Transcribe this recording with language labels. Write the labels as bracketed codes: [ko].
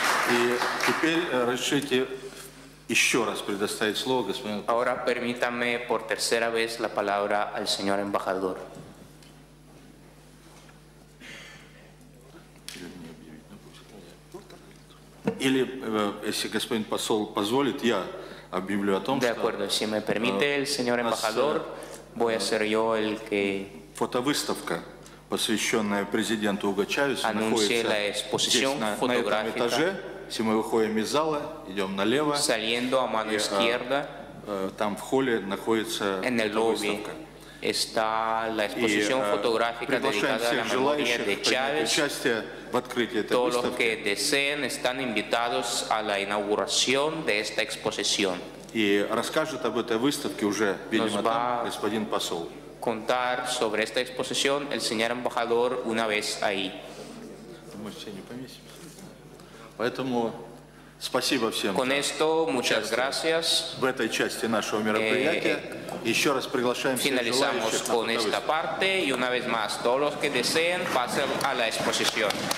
[ru] И теперь разрешите еще раз предоставить слово господину. [es] Ahora permítame por tercera vez la palabra al señor embajador. [ru] Или если господин посол позволит, я объявлю о том, [es] de acuerdo, [ru] что [es] si me permite el señor embajador, voy a ser yo el que [ru] фотовыставка, посвященная президенту Уго Чавесу, находится [es] la exposición [ru] здесь, [es] fotográfica. [ru] На этом этаже. Если мы выходим из зала, идем налево, [es] saliendo a mano izquierda, [ru] там в холле находится выставка. [es] Está la exposición fotográfica dedicada a la memoria de Chávez. Todos los que deseen están invitados a la inauguración de esta exposición. [ru] Y расскажет об этой выставке уже, видимо, там, господин посол. [es] Contar sobre esta exposición el señor embajador una vez ahí. [ru] Поэтому спасибо всем. [es] Con esto, muchas gracias. [ru] В этой части нашего мероприятия еще раз приглашаем всех желающих. [es] Con esta parte y una vez más todos los que deseen pasen a la exposición.